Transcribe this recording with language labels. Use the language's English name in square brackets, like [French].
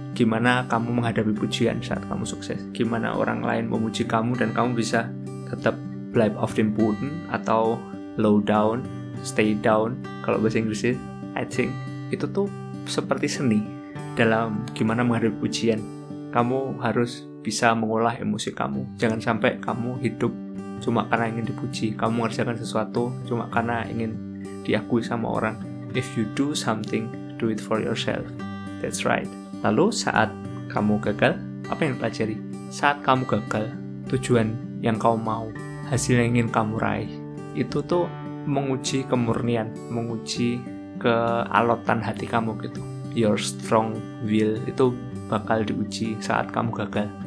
[Indonesian] Gimana kamu menghadapi pujian saat kamu sukses? Gimana orang lain memuji kamu dan kamu bisa tetap [English] life of the important [Indonesian] atau [English] low down, stay down [Indonesian] kalau bahasa Inggrisnya, [English] I think [Indonesian] itu tuh seperti seni dalam gimana menghadapi pujian. Kamu harus bisa mengolah emosi kamu, jangan sampai kamu hidup cuma karena ingin dipuji, kamu mengerjakan sesuatu cuma karena ingin diakui sama orang. [English] If you do something, do it for yourself. That's right. [Indonesian] Lalu saat kamu gagal, apa yang pelajari? Saat kamu gagal, tujuan yang kamu mau, hasil yang ingin kamu raih, itu tuh menguji kemurnian, menguji kealotan hati kamu gitu. [English] Your strong will [Indonesian] itu bakal diuji saat kamu gagal.